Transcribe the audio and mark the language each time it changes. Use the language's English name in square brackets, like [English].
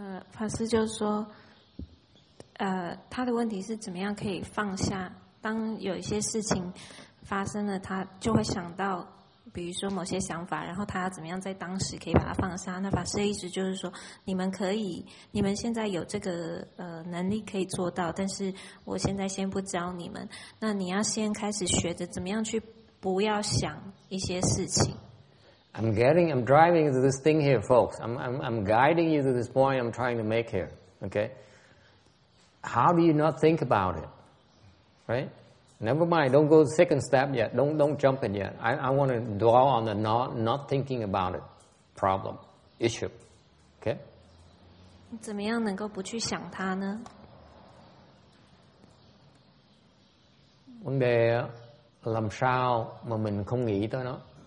[Chinese] 法师就说, 他的问题是怎么样可以放下 当有一些事情发生了，他就会想到，比如说某些想法，然后他要怎么样在当时可以把它放下。那法师的意思就是说，你们现在有这个能力可以做到，但是我现在先不教你们。那你要先开始学着怎么样去不要想一些事情。I'm [English] getting, I'm driving this thing here, folks. I'm guiding you to this point I'm trying to make here. Okay? How do you not think about it? Right? Never mind, don't go second step yet. Don't jump in yet. I want to dwell on the not thinking about it problem, issue. Okay? [Chinese] 怎么样能够不去想它呢? [Vietnamese] 问题, làm sao mà mình không nghĩ tới nó?